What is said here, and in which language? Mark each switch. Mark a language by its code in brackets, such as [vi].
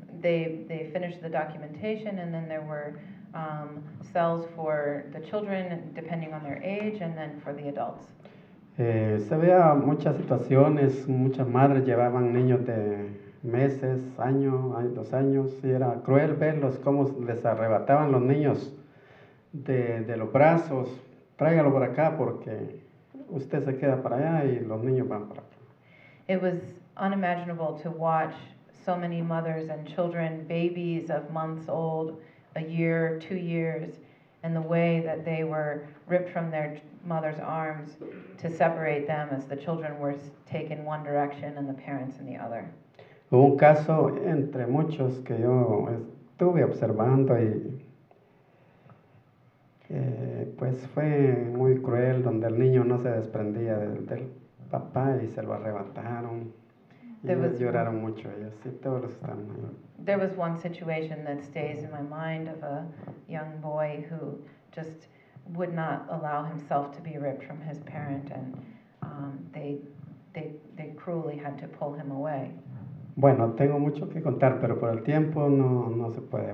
[en] They finished the documentation, and then there were cells for the children, depending on their age, and then for the adults. [es] Se veía muchas situaciones, muchas madres llevaban niños de meses, año, dos años, y era cruel verlos cómo les arrebataban los niños de los brazos. Tráigalo por acá porque usted se queda para allá y los niños van para acá. [en] It was unimaginable to watch so many mothers and children, babies of months old, a year, 2 years, and the way that they were ripped from their mother's arms to separate them as the children were taken one direction and the parents in the other. [es] Hubo un caso entre muchos que yo estuve observando y pues fue muy cruel, donde el niño no se desprendía del papá y se lo arrebataron. [en] There y was, [es] lloraron mucho ellos y todos los están ahí. [en] There was one situation that stays in my mind of a young boy who just would not allow himself to be ripped from his parent, and they cruelly had to pull him away. [es] Bueno, tengo mucho que contar, pero por el tiempo no se puede.